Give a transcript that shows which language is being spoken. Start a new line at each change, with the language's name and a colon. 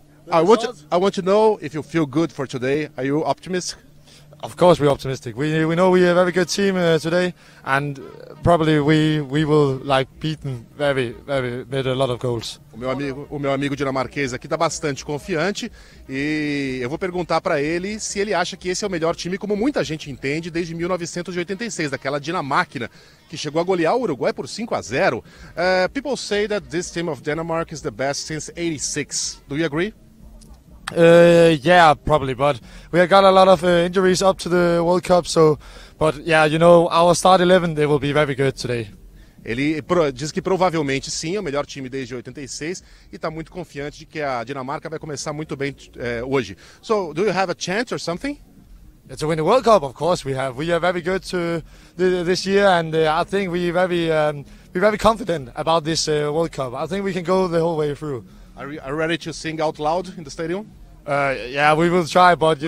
English: I want to know if you feel good for today. Are you optimistic? Of course we're optimistic. We know we have a very good team today, and probably we will like beaten very very with a lot of goals.
Portuguese: O meu amigo dinamarquês aqui tá bastante confiante e eu vou perguntar para ele se ele acha que esse é o melhor time, como muita gente entende, desde 1986, daquela Dinamáquina que chegou a golear o Uruguai por 5-0.
English: People say that this team of Denmark is the best since 86. Do you agree? Yeah, probably, but we have got a lot of injuries up to the World Cup, so, but yeah, you know, our start 11, they will be very good today.
Portuguese: Ele diz que provavelmente sim, é o melhor time desde 86 e tá muito confiante de que a Dinamarca vai começar muito bem hoje.
English: So, do you have a chance or something? To win the World Cup, of course we have. We are very good to this year, and I think we're very confident about this World Cup. I think we can go the whole way through. Are you ready to sing out loud in the stadium? Yeah, we will try, but you